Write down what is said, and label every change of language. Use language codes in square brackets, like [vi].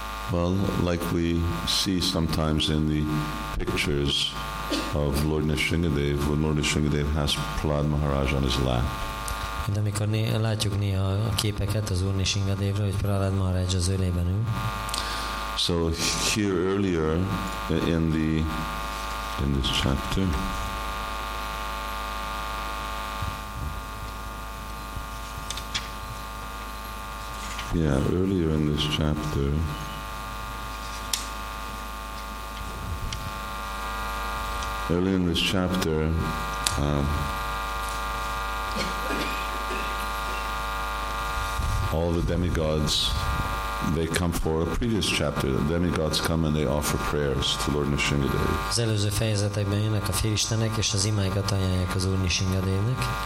[en] But like we see sometimes in the pictures of Lord Nrisimhadev, when Lord Nrisimhadev has Prahlad Maharaj on his lap. [hu] De amikor látjuk néha a képeket az Úr Nrisimhadevről, hogy Prahlad Maharaj az ölében ül. [en] So here earlier in this chapter. Yeah, earlier in this chapter. Earlier in this chapter, all the demigods, they come for a previous chapter. The demigods come and they offer prayers to Lord Nrisimhadev. [hu] Az előző fejezetekben jönnek a félistenek, és az imáikat ajánlják az Úr Nrisimhadevnek.